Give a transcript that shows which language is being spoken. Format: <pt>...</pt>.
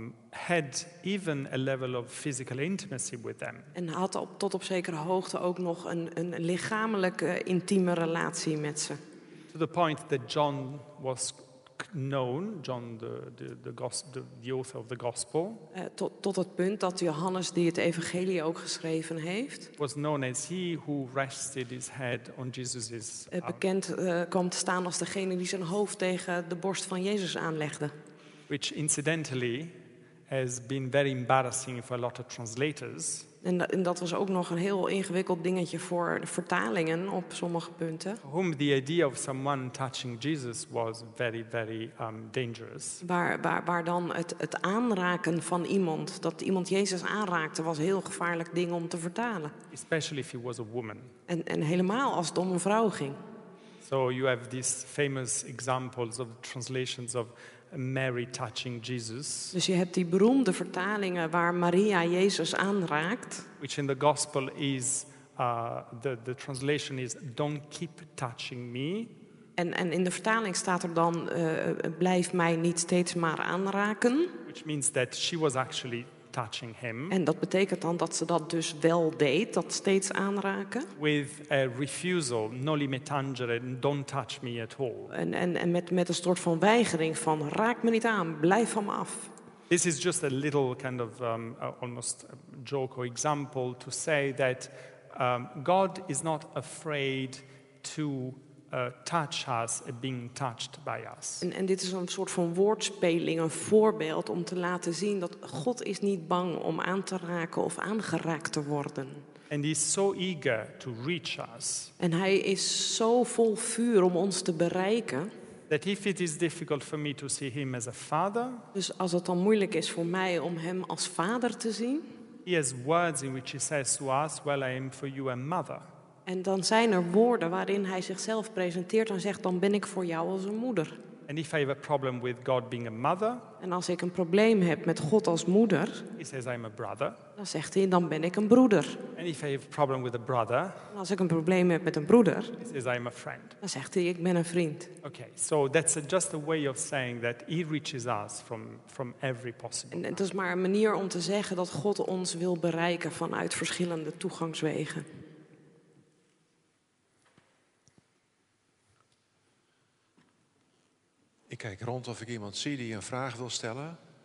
<en>Had even a level of physical intimacy with them.</en> <nl>En had tot op zekere hoogte ook nog een lichamelijke intieme relatie met ze.</nl> <en>To the point that John was known, John the author of the gospel.</en> <nl>Tot het punt dat Johannes die het evangelie ook geschreven heeft.</nl> <en>Was known as he who rested his head on Jesus's.</en> <nl>Bekend kwam te staan als degene die zijn hoofd tegen de borst van Jezus aanlegde.</nl> <en>Which incidentally has been very embarrassing for a lot of translators.</en> <nl>En dat was ook nog een heel ingewikkeld dingetje voor de vertalingen op sommige punten.</nl> <en>Whom the idea of someone touching Jesus was very, very dangerous.</en> <nl>Waar dan het aanraken van iemand, dat iemand Jezus aanraakte, was een heel gevaarlijk ding om te vertalen.</nl> <en>Especially if he was a woman.</en> <nl>En helemaal als het om een vrouw ging.</nl> <en>So you have these famous examples of translations of Mary touching Jesus.</en> <nl>Dus je hebt die beroemde vertalingen waar Maria Jezus aanraakt.</nl> <en>Which in the gospel is the translation is don't keep touching me.</en> <nl>En in de vertaling staat er dan blijf mij niet steeds maar aanraken.</nl> <en>Which means that she was actually touching him.</en> <nl>En dat betekent dan dat ze dat dus wel deed, dat steeds aanraken.</nl> <en>With a refusal,</en> <la>noli me tangere,</la> <en>don't touch me at all.</en> <nl>En met een soort van weigering van raak me niet aan, blijf van me af.</nl> <en>This is just a little kind of almost a joke or example to say that God is not afraid to touch us, being touched by us.</en> <nl>En dit is een soort van woordspeling, een voorbeeld om te laten zien dat God is niet bang om aan te raken of aangeraakt te worden.</nl> <en>And he's so eager to reach us.</en> <nl>En hij is zo vol vuur om ons te bereiken.</nl> <en>That if it is difficult for me to see him as a father.</en> <nl>Dus als het dan moeilijk is voor mij om hem als vader te zien.</nl> <en>He has words in which he says to us, "Well, I am for you a mother."</en> <nl>En dan zijn er woorden waarin hij zichzelf presenteert en zegt, dan ben ik voor jou als een moeder.</nl> <en>And if I have a problem with God being a mother,</en> <nl>en als ik een probleem heb met God als moeder,</nl> <en>he says I'm a brother.</en> <nl>Dan zegt hij, dan ben ik een broeder.</nl> <en>And if I have a problem with a brother,</en> <nl>en als ik een probleem heb met een broeder,</nl> <en>he says I'm a friend.</en> <nl>Dan zegt hij, ik ben een vriend.</nl> <en>Okay, so that's just a way of saying that he reaches us from every possible.</en> <nl>En het is maar een manier om te zeggen dat God ons wil bereiken vanuit verschillende toegangswegen. Ik kijk rond of ik iemand zie die een vraag wil stellen.</nl>